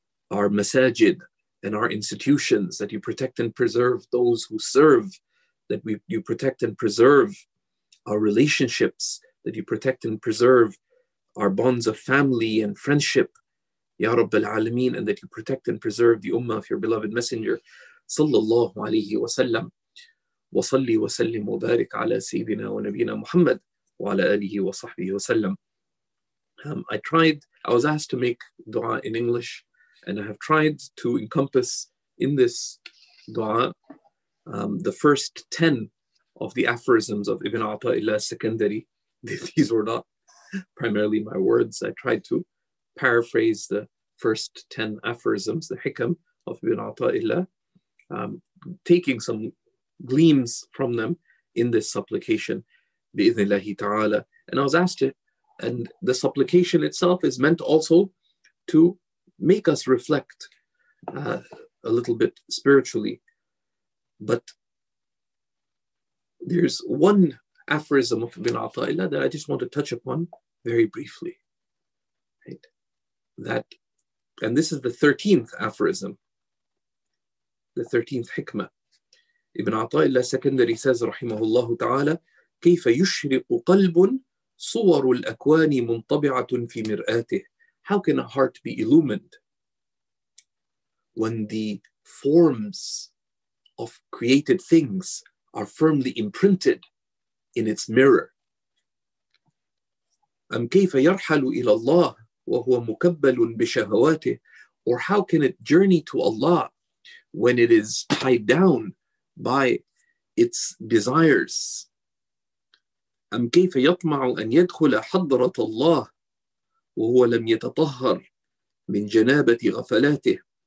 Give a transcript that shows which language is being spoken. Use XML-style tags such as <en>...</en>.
<en>our masajid and our institutions, that you protect and preserve those who serve, that you protect and preserve our relationships, that you protect and preserve our bonds of family and friendship, Ya Rabbil Alameen, and that you protect and preserve the ummah of your beloved messenger, sallallahu alayhi wa sallam.</en> <ar>وصلي وسلم وبارك على سيدنا ونبينا محمد وعلى آله وصحبه وسلم.</ar> <en>I was asked to make dua in English, and I have tried to encompass in this dua the first 10 of the aphorisms of Ibn Ata'illah Sakandari. These were not primarily my words. I tried to paraphrase the first 10 aphorisms, the hikam of Ibn Ata'illah, taking some gleams from them in this supplication, bi'idhnillahi ta'ala. And I was asked to, and the supplication itself is meant also to make us reflect a little bit spiritually. But there's one aphorism of Ibn Ata'illah that I just want to touch upon very briefly. Right? That, and this is the 13th aphorism, the 13th hikmah. Ibn Ata'illah Sakandari says,</en> <ar>رحمه تعالى, كيف يشرق قلب صور الأكوان منطبعة في مرآته.</ar> <en>How can a heart be illumined when the forms of created things are firmly imprinted in its mirror?</en> <ar>أم كيف يرحل إلى الله وهو مكبل بشهواته.</ar> <en>Or how can it journey to Allah when it is tied down by its desires?</en> <ar>أَمْ كَيْفَ يَطْمَعُ أَنْ يَدْخُلَ حَضْرَةَ اللَّهِ وَهُوَ لَمْ يَتَطَهَّرْ مِنْ جَنَابَةِ غَفَلَاتِهِ.</ar>